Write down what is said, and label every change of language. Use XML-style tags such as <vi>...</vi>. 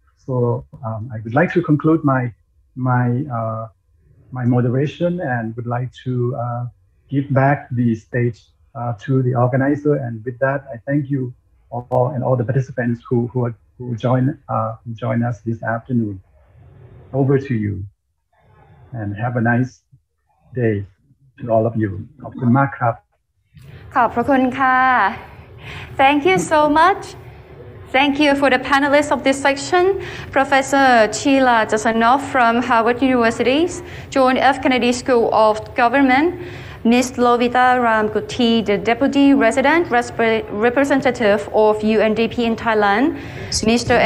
<en>So I would like to conclude my moderation and would like to give back the stage to the organizer. And with that, I thank you all and all the participants who join us this afternoon. Over to you, and have a nice day to all of you.</en> <th>ขอบคุณมากครับ ขอบพระคุณค่ะ</th> <en>Thank you so much. Thank you for the panelists of this section, Professor Sheila Jasanoff from Harvard University, John F. Kennedy School of Government, Ms. Lovita Ramguti, the Deputy Resident Representative of UNDP in Thailand, Mr.</en>